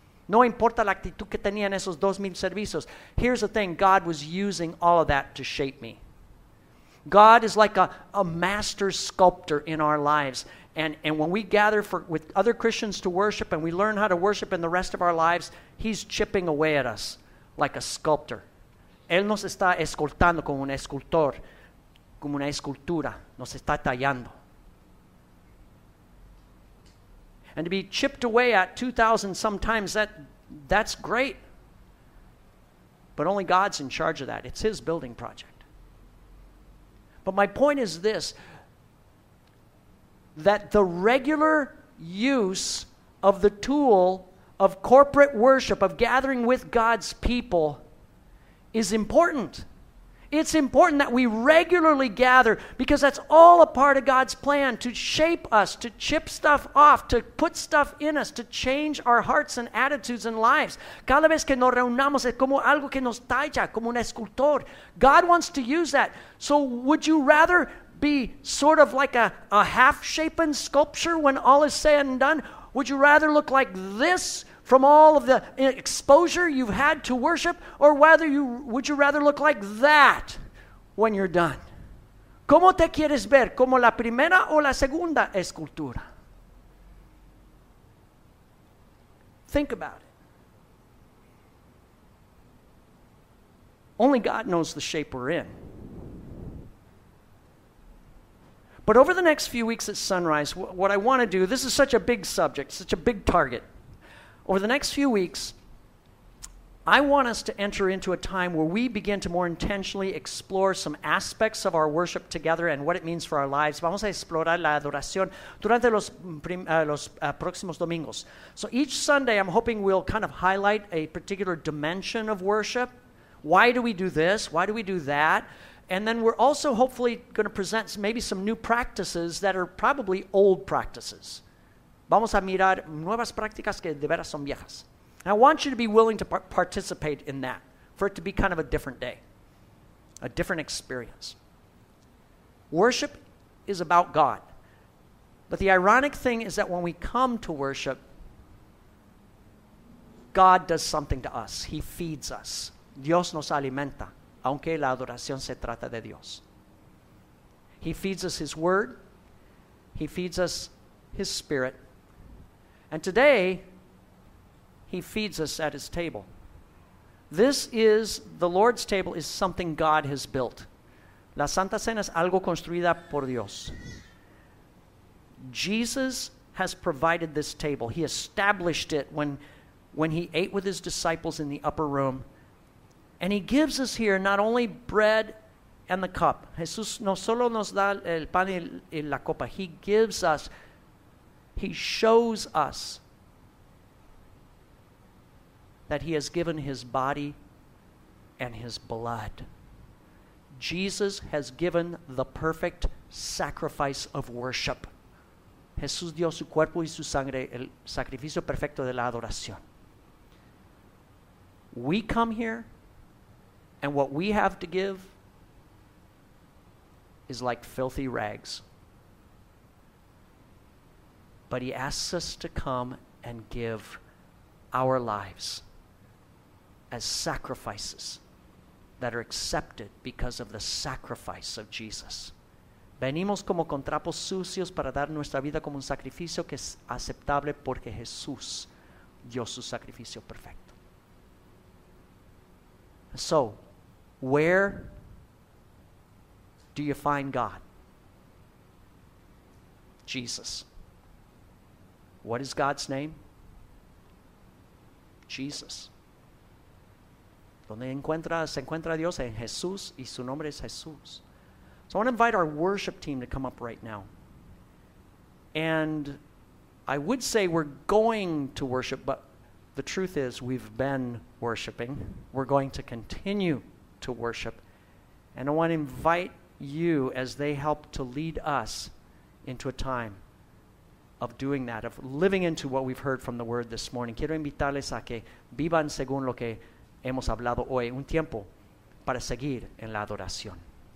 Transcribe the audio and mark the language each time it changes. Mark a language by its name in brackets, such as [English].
[Spanish] No importa la actitud que tenía en esos 2,000 servicios. [English] Here's the thing. God was using all of that to shape me. God is like a master sculptor in our lives. And when we gather with other Christians to worship and we learn how to worship in the rest of our lives, he's chipping away at us like a sculptor. [Spanish] Él nos está escultando como un escultor, como una escultura. Nos está tallando. [English] And to be chipped away at 2,000 sometimes, that's great. But only God's in charge of that. It's his building project. But my point is this, that the regular use of the tool of corporate worship, of gathering with God's people, is important. It's important that we regularly gather, because that's all a part of God's plan to shape us, to chip stuff off, to put stuff in us, to change our hearts and attitudes and lives. [Spanish] Cada vez que nos reunamos es como algo que nos talla, como un escultor. [English] God wants to use that. So would you rather be sort of like a half-shapen sculpture when all is said and done? Would you rather look like this from all of the exposure you've had to worship, or whether you would you rather look like that when you're done? [Spanish] ¿Cómo te quieres ver? ¿Como la primera o la segunda escultura? [English] Think about it. Only God knows the shape we're in. But over the next few weeks at Sunrise, what I want to do, this is such a big subject, such a big target. Over the next few weeks, I want us to enter into a time where we begin to more intentionally explore some aspects of our worship together and what it means for our lives. [Spanish] Vamos a explorar la adoración durante los próximos domingos. [English] So each Sunday, I'm hoping we'll kind of highlight a particular dimension of worship. Why do we do this? Why do we do that? And then we're also hopefully going to present maybe some new practices that are probably old practices. [Spanish] Vamos a mirar nuevas prácticas que de veras son viejas. [English] I want you to be willing to participate in that, for it to be kind of a different day, a different experience. Worship is about God. But the ironic thing is that when we come to worship, God does something to us. He feeds us. [Spanish] Dios nos alimenta, aunque la adoración se trata de Dios. [English] He feeds us his word. He feeds us his spirit. And today, he feeds us at his table. This is, the Lord's table is something God has built. [Spanish] La Santa Cena es algo construida por Dios. [English] Jesus has provided this table. He established it when he ate with his disciples in the upper room. And he gives us here not only bread and the cup. [Spanish] Jesús no solo nos da el pan y la copa. [English] He gives us, he shows us that he has given his body and his blood. Jesus has given the perfect sacrifice of worship. [Spanish] Jesús dio su cuerpo y su sangre, el sacrificio perfecto de la adoración. [English] We come here, and what we have to give is like filthy rags. But he asks us to come and give our lives as sacrifices that are accepted because of the sacrifice of Jesus. [Spanish] Venimos como con trapos sucios para dar nuestra vida como un sacrificio que es aceptable porque Jesús dio su sacrificio perfecto. [English] So, where do you find God? Jesus. What is God's name? Jesus. [Spanish] Donde se encuentra Dios en Jesús y su nombre es Jesús. [English] So I want to invite our worship team to come up right now. And I would say we're going to worship, but the truth is we've been worshiping. We're going to continue to worship. And I want to invite you, as they help to lead us into a time of doing that, of living into what we've heard from the word this morning. [Spanish] Quiero invitarles a que vivan según lo que hemos hablado hoy, un tiempo para seguir en la adoración.